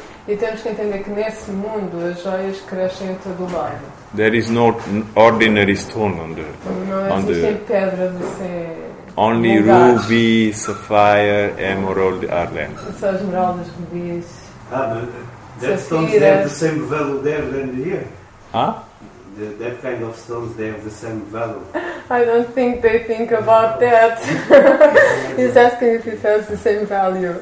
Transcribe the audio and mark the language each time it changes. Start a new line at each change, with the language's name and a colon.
Portuguese: E temos que entender que nesse mundo as joias crescem em todo o lado.
English: There is no ordinary stone on the.
Portuguese: Não existem pedras assim.
English: Only
Portuguese: lugar.
English: Ruby, sapphire, emerald are there.
Portuguese: São esmeraldas, rubis.
English: Ah, but that stones they have the same value there than here. Huh? That kind of stones they have the same value. I don't think they think about that. He's asking if it has the same value.